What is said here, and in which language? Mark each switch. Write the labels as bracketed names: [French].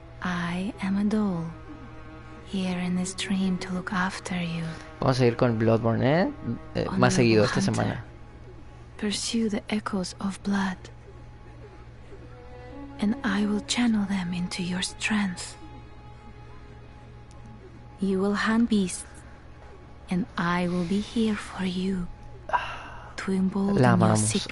[English] I am a doll here in this dream to look after you. [Spanish] Vamos a ir con Bloodborne, más seguido esta semana. [English] Pursue the echoes of blood, and I will channel them into your strength. You will hunt beasts, and I will be here for you to embolden your sickly spirit.